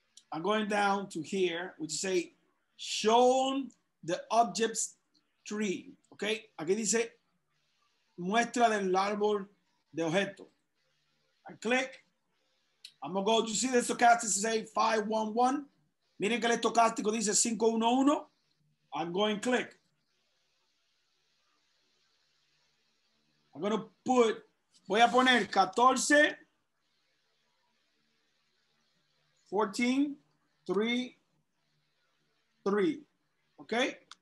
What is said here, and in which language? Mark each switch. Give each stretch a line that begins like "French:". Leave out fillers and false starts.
English: I'm going down to here, which say shown the objects tree.
Spanish: Okay, aquí dice muestra del árbol de objeto.
English: I click, I'm gonna go, you see the stochastic say 511.
Spanish: Miren que el estocástico dice 511.
English: I'm going click. I'm gonna put,
Spanish: voy a poner
English: 14, 14, 3, 3, okay?